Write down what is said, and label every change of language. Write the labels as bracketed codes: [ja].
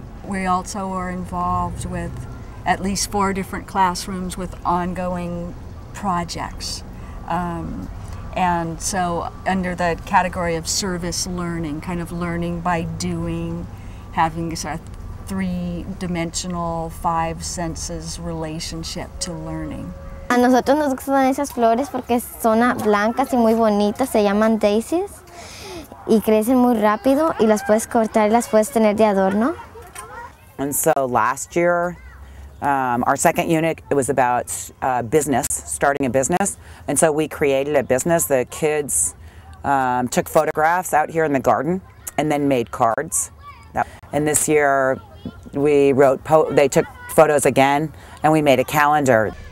[en] We also are involved with at least 4 different classrooms with ongoing projects. And so under the category of service learning, kind of learning by doing, having a 3-dimensional, 5 senses relationship to learning. [es] A nosotros nos gustan esas flores porque son blancas y muy bonitas, se llaman daisies, y crecen muy rápido y las puedes cortar y las puedes tener de adorno. [en] And so last year, our second unit, it was about business, starting a business. And so we created a business. The kids took photographs out here in the garden and then made cards. And this year we wrote, they took photos again and we made a calendar.